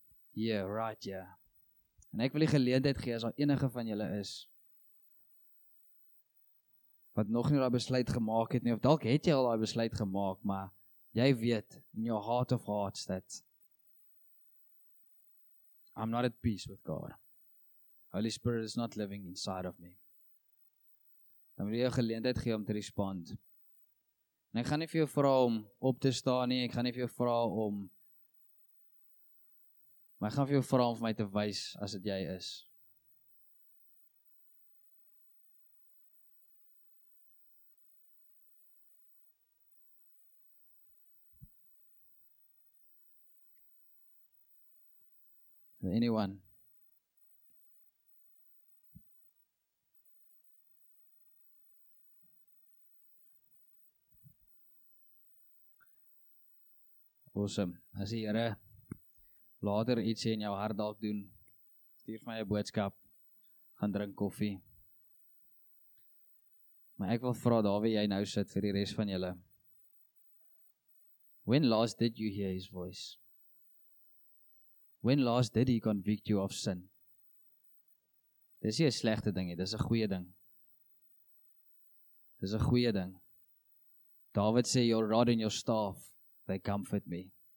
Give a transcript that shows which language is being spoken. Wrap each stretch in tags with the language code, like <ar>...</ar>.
<af>Yeah, right, yeah. En ek wil die geleentheid gee, as daar enige van julle is, wat nog nie daai besluit gemaak het nie, of dalk het jy al daai besluit gemaak, maar jy weet, in your heart of hearts, that I'm not at peace with God.</af> <en>Holy Spirit is not living inside of me.</en> <af>Dan wil jy jou geleentheid gee om te respond. En ek gaan nie vir jou vra om op te staan nie, ek gaan nie vir jou vra om, maar ek gaan vir jou vra om vir my te wys as dit jy is.</af> <en>than anyone.</en> <af>Awesome. As die Here later iets in jou hart dalk doen, stuur my 'n boodskap, gaan drink koffie. Maar ek wil vra daar waar jy nou sit vir die res van julle.</af> <en>When last did you hear his voice? When last did he convict you of sin?</en> <af>Dis nie 'n slegte ding nie, dis 'n goeie ding. Dis 'n goeie ding.</af> <en>David sê, your rod and your staff, they comfort me.</en>